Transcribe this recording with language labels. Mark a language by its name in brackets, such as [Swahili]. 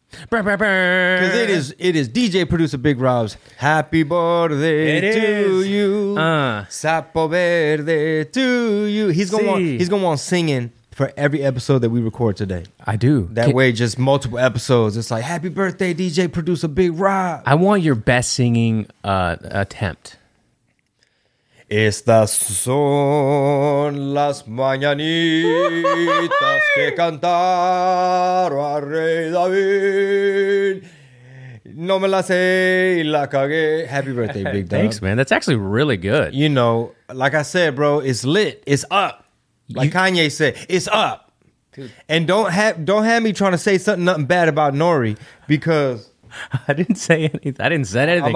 [English] Because it is DJ producer Big Rob's happy birthday to you. [Spanish] Sapo verde [English] to you. He's gonna want singing for every episode that we record today. I do. That way, just multiple episodes. It's like, happy birthday, DJ producer Big Rob. I want your best singing attempt. [Spanish] Es las son las mañanitas que cantaron a Rey David. No me la sé y la cagué. [English] Happy birthday, Big Dog. Thanks, man. That's actually really good. You know, like I said, bro, it's lit. It's up. Kanye said, it's up. Dude. And don't have me trying to say nothing bad about Nori, because I didn't say anything. I didn't say anything.